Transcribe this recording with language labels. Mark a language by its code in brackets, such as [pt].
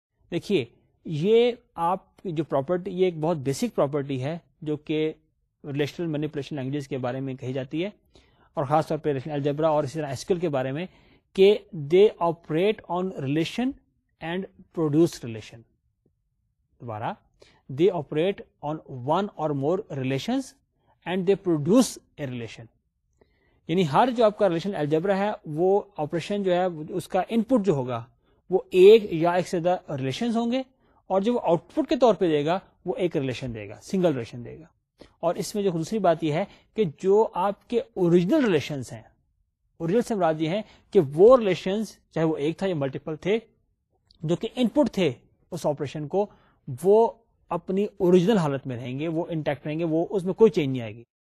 [ur] دیکھیے یہ آپ کی جو پراپرٹی, یہ ایک بہت بیسک پراپرٹی ہے جو کہ ریلیشنل مینیپولیشن لینگویجز کے بارے میں کہی جاتی ہے, اور خاص طور پہ ریلیشنل الجبرا اور اسی طرح SQL کے بارے میں, کہ [en] They operate on relation and produce relation. [ur] دوبارہ, [en] They operate on one or more relation and they produce a relation. [ur] یعنی ہر جو آپ کا ریلیشن الجبرا ہے وہ آپریشن جو ہے اس کا ان پٹ جو ہوگا وہ ایک سے زیادہ ریلیشنز ہوں گے, اور جو وہ آؤٹ پٹ کے طور پہ دے گا وہ ایک ریلیشن دے گا, سنگل ریلیشن دے گا. اور اس میں جو دوسری بات یہ ہے کہ جو آپ کے اوریجنل ریلیشنز ہیں, اوریجنل سے مراد یہ ہے کہ وہ ریلیشنز چاہے وہ ایک تھا یا ملٹیپل تھے جو کہ ان پٹ تھے اس آپریشن کو, وہ اپنی اوریجنل حالت میں رہیں گے, وہ انٹیکٹ رہیں گے, وہ اس میں کوئی چینج نہیں آئے گی.